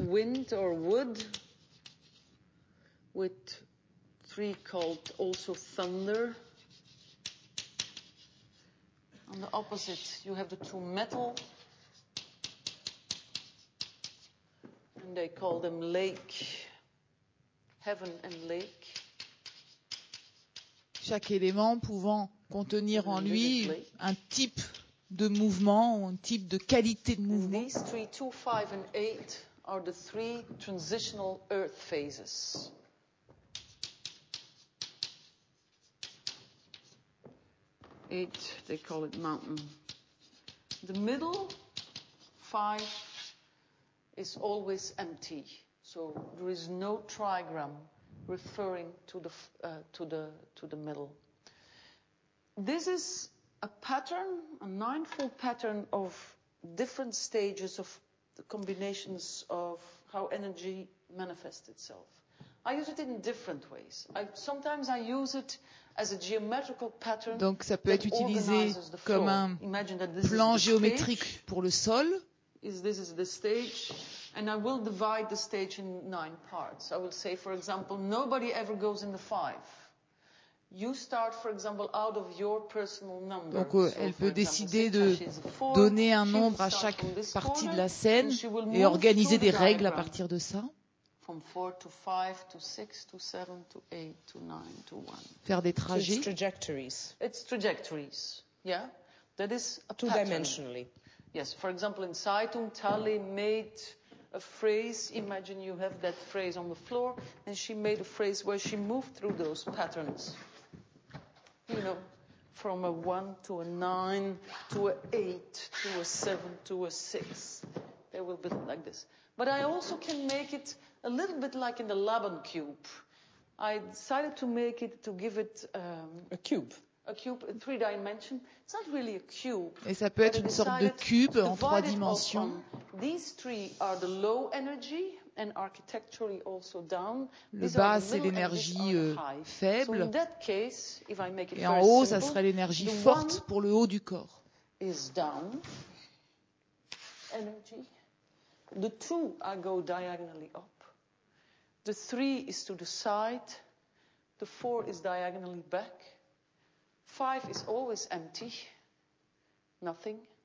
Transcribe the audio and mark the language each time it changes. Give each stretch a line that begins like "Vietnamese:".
English: wind or wood, with three called also thunder. On the opposite, you have the two metal, and they call them lake, heaven and lake.
French: Chaque élément pouvant contenir en lui un type de mouvement ou un type de qualité de mouvement.
English: These three, two, five and eight are the three transitional earth phases. Eight, they call it mountain. The middle, five, is always empty. So there is no trigram referring to the middle. This is a pattern, a ninefold pattern of different stages of the combinations of how energy manifests itself. I use it in different ways. Sometimes I use it as a geometrical pattern.
French: Donc ça peut être utilisé comme un plan géométrique pour le sol.
English: This is the stage, and I will divide the stage in nine parts. I will say, for example, nobody ever goes in the five. You start, for example, out of your personal number.
French: Donc elle peut décider de donner un nombre à chaque partie de la scène et organiser des règles à partir de ça.
English: From four to five to six to seven to eight to nine to one.
French: Faire des trajets.
English: It's trajectories. It's trajectories. Yeah, that is a two-dimensionally. Yes, for example, in Zeitung, Tally made a phrase. Imagine you have that phrase on the floor, and she made a phrase where she moved through those patterns. You know, from a 1 to a 9 to a 8 to a 7 to a 6. They will be like this. But I also can make it a little bit like in the Laban cube. I decided to make it, to give it... A cube. A cube in 3 dimensions. It's not really a cube.
French: Et ça peut être une sorte de cube en 3 dimensions.
English: These three are the low energy and architecturally also down.
French: Le bas, c'est l'énergie faible.
English: So in that case, if I make it
French: et en haut, ça serait l'énergie forte pour le haut du corps.
English: Is down. Energy. The two, I go diagonally up. The three is to the side. The four is diagonally back. Five is always empty. Nothing.